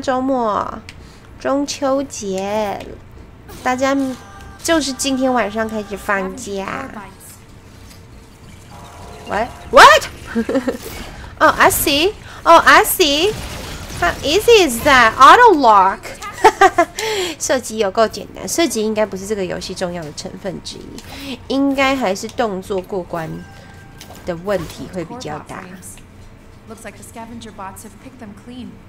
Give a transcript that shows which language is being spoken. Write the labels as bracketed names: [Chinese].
[Chinese] 周末，中秋节，大家就是今天晚上开始放假。 [English] What? Oh, I see. How easy is that? Auto lock. [Chinese] 射击有够简单，射击应该不是这个游戏重要的成分之一，应该还是动作过关的问题会比较大。 [English] Looks like the scavenger bots have picked them clean.